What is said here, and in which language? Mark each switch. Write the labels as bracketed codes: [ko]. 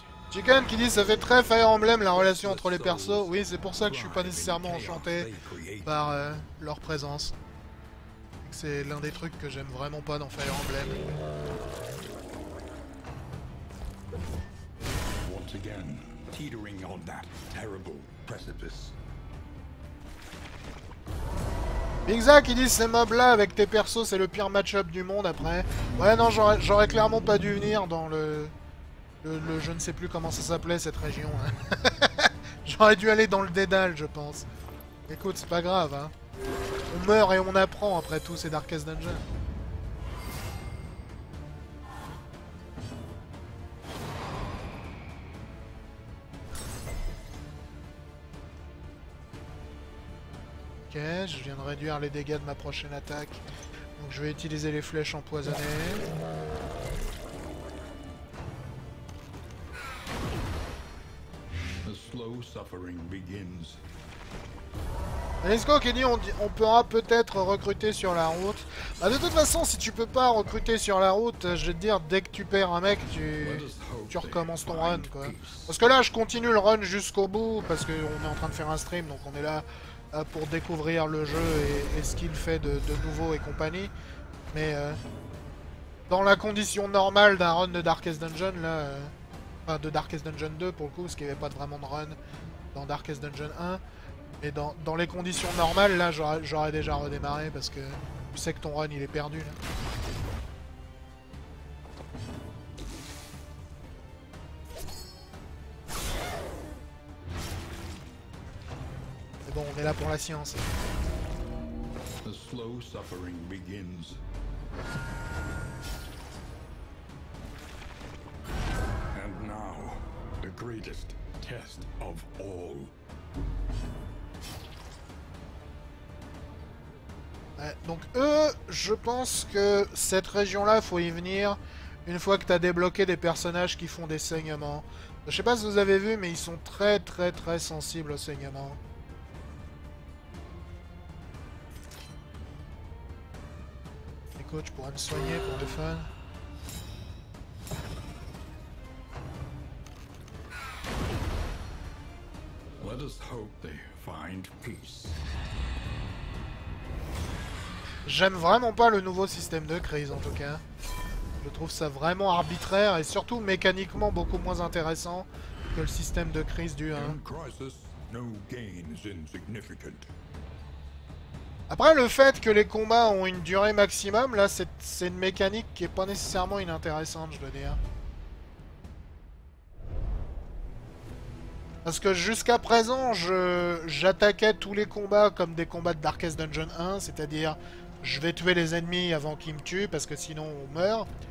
[fr] Chicken qui dit ça fait très Fire Emblem la relation entre les persos. Oui, c'est pour ça que je suis pas nécessairement enchanté par leur présence. C'est l'un des trucs que j'aime vraiment pas dans Fire Emblem. [en] Once again. Teetering on that terrible precipice. [fr] Big Zach, il dit ces mobs là avec tes persos c'est le pire match-up du monde après. Ouais non j'aurais clairement pas dû venir dans le je ne sais plus comment ça s'appelait cette région hein. J'aurais dû aller dans le dédale je pense. Écoute c'est pas grave hein. On meurt et on apprend après tout ces Darkest Dungeon. Ok, je viens de réduire les dégâts de ma prochaine attaque. Donc je vais utiliser les flèches empoisonnées. [en] The slow suffering begins. [fr] Alisco qui dit on pourra peut-être recruter sur la route. Bah de toute façon, si tu peux pas recruter sur la route, je vais te dire, dès que tu perds un mec, tu recommences ton run. Quoi. Parce que là, je continue le run jusqu'au bout, parce qu'on est en train de faire un stream, donc on est là pour découvrir le jeu et ce qu'il fait de nouveau et compagnie. Mais dans la condition normale d'un run de Darkest Dungeon, là, enfin de Darkest Dungeon 2 pour le coup, parce qu'il n'y avait pas vraiment de run dans Darkest Dungeon 1, mais dans les conditions normales, là j'aurais déjà redémarré parce que tu sais que ton run il est perdu là. Bon, on est là pour la science. [en] The slow suffering begins. And now, the greatest test of all. [fr] Ouais, donc eux, je pense que cette région-là, faut y venir une fois que t'as débloqué des personnages qui font des saignements. Je sais pas si vous avez vu, mais ils sont très très très sensibles aux saignements. Je pourrais me soigner pour le fun. [en] Let us hope they find peace. [fr] J'aime vraiment pas le nouveau système de crise en tout cas. Je trouve ça vraiment arbitraire et surtout mécaniquement beaucoup moins intéressant que le système de crise du 1. [en] In crisis, no gain is insignificant. [fr] Après, le fait que les combats ont une durée maximum, là, c'est une mécanique qui est pas nécessairement inintéressante, je dois dire. Parce que jusqu'à présent, j'attaquais tous les combats comme des combats de Darkest Dungeon 1, c'est-à-dire je vais tuer les ennemis avant qu'ils me tuent, parce que sinon on meurt.